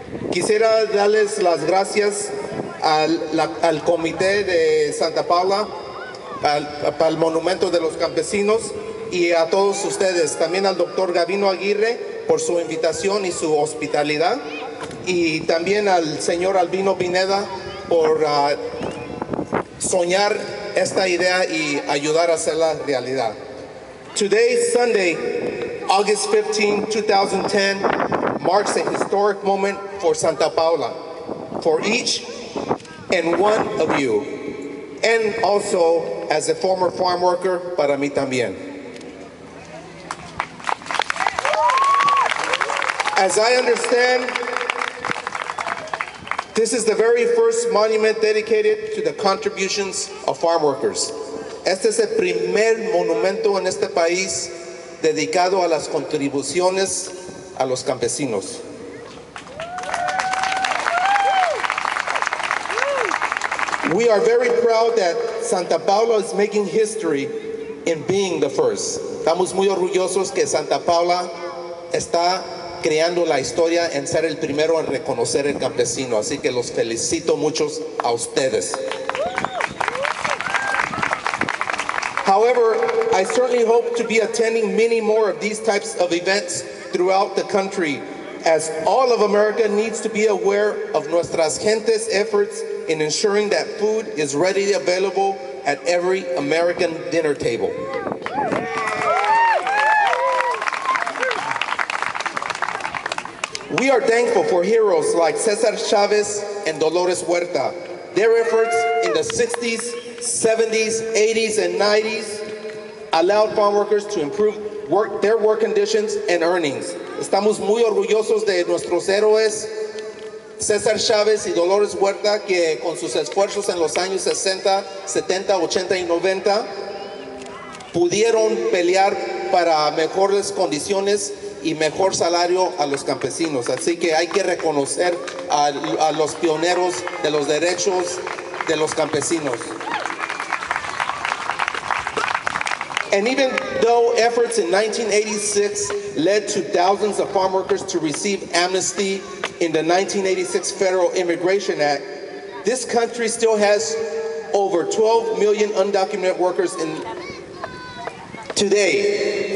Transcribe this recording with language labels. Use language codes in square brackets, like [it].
[es] Quisiera darles las gracias al Comité de Santa Paula, al Monumento de los Campesinos y a todos ustedes. También al Dr. Gavino Aguirre por su invitación y su hospitalidad. Y también al señor Albino Pineda por soñar esta idea y ayudar a hacerla realidad. [en] Today, Sunday, August 15, 2010, marks a historic moment for Santa Paula, for each and one of you, and also as a former farm worker, [es] para mí también. [en] As I understand, this is the very first monument dedicated to the contributions of farm workers. [es] Este es el primer monumento en este país dedicado a las contribuciones a los campesinos. [en] We are very proud that Santa Paula is making history in being the first. [es] Estamos muy orgullosos que Santa Paula está creando la historia en ser el primero en reconocer el campesino. Así que los felicito muchos a ustedes. [en] However, I certainly hope to be attending many more of these types of events throughout the country, as all of America needs to be aware of [es] nuestras gentes' [en] efforts in ensuring that food is readily available at every American dinner table. We are thankful for heroes like Cesar Chavez and Dolores Huerta. Their efforts in the 60s, 70s, 80s, and 90s allowed farm workers to improve their work conditions and earnings. [es] Estamos muy orgullosos de nuestros héroes, César Chávez y Dolores Huerta, que con sus esfuerzos en los años 60, 70, 80 y 90, pudieron pelear para mejores condiciones y mejor salario a los campesinos. Así que hay que reconocer a los pioneros de los derechos de los campesinos. [en] And even though efforts in 1986 led to thousands of farm workers to receive amnesty in the 1986 Federal Immigration Act, this country still has over 12 million undocumented workers in today.